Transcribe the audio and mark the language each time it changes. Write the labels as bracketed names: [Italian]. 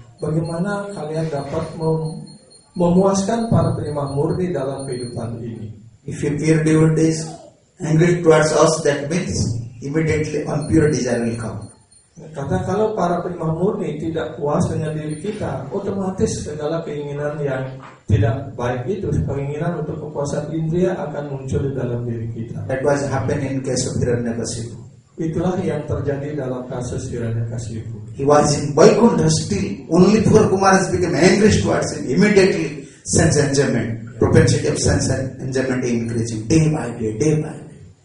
[Indonesian] Bagaimana kalian dapat memuaskan para penyembah murni dalam kehidupan ini? [English] If a pure devotee is angry towards us, that means immediately impure desire will come. [Indonesian] Kata kalau para penyembah murni tidak puas dengan diri kita, otomatis segala keinginan yang tidak baik itu, keinginan untuk kepuasan indria akan muncul di dalam diri kita. [English] That was happened in case of Hiranyakasipu. [Indonesian] Itulah yang terjadi dalam kasus Hiranyakasipu. [English] He was in Vaikuntha still, only poor Kumara has become angry towards him, immediately sense enjoyment, propensity of sense enjoyment increasing day by day, day by day.